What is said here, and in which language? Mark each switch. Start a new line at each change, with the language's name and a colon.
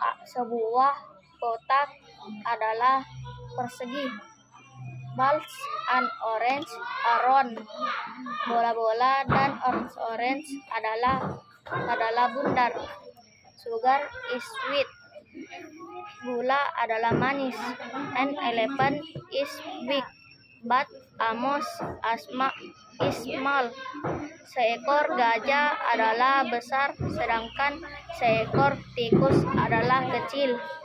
Indonesian: Sebuah kotak adalah persegi.
English: Balls and orange are round.
Indonesian: Bola-bola dan orange adalah bundar.
English: Sugar is sweet.
Indonesian: Gula adalah manis.
English: An elephant is big, but a mouse is small.
Indonesian: Seekor gajah adalah besar, sedangkan seekor tikus adalah kecil.